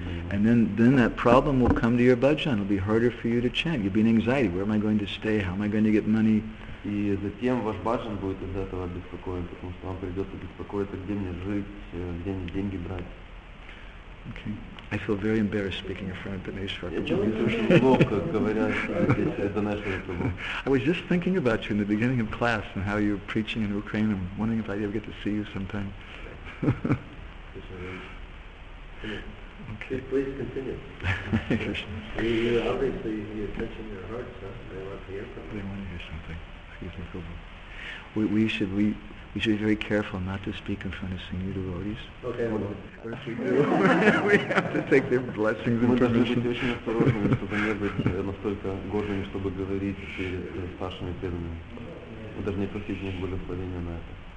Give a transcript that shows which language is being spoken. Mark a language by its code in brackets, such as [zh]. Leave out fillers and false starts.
[en] And then that problem will come to your bhajan. It'll be harder for you to chant. You'll be in anxiety. Where am I going to stay? How am I going to get money? [ru] И затем ваш бхаджан будет из этого беспокоен, потому что вам придется беспокоиться, где мне жить, где мне деньги брать. [en] Okay. I feel very embarrassed speaking in front of Dhaneshwar. I was just thinking about you in the beginning of class and how you're preaching in Ukraine and wondering if I ever get to see you sometime. Okay. Please continue. You obviously you attention your heart, so they want to hear something. They want to hear something. Excuse me, Prabhu. We should be very careful not to speak in front of senior devotees. Okay, well, first we do. We have to take their blessings and permission. [ru] Мы должны быть очень осторожными, чтобы не быть настолько гордыми, чтобы говорить перед старшими преданными. Мы должны просить у них благословения на это.